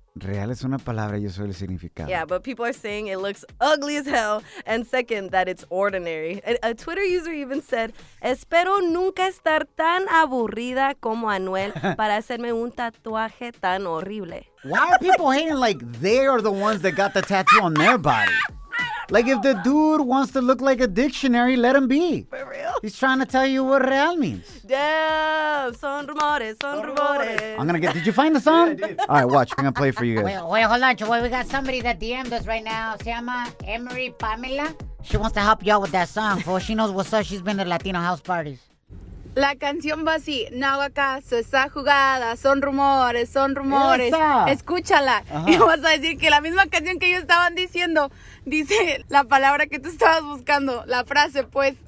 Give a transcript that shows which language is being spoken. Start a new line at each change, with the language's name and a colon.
Spanish: Real es una palabra, yo soy el significado.
English: Yeah, but people are saying it looks ugly as hell. And second, that it's ordinary. A Twitter user even said,
Spanish: Espero nunca estar tan aburrida como Anuel para hacerme un tatuaje tan horrible.
English: Why are people hating like they are the ones that got the tattoo on their body? Like if the dude wants to look like a dictionary, let him be. For real? He's trying to tell you what real means. Damn,
Spanish: son rumores.
English: Did you find the song? Yeah, I did. All right, watch. I'm going to play for you guys. Wait, hold on. We got somebody that DM'd us right now.
Spanish: Se llama Emery Pamela.
English: She wants to help you out with that song. For she knows what's up. She's been to Latino house parties.
Spanish: La canción va así, no hago caso, está jugada, son rumores. Escúchala. Ajá. Y vas a decir que la misma canción que ellos estaban diciendo, dice la palabra que tú estabas buscando, la frase, pues.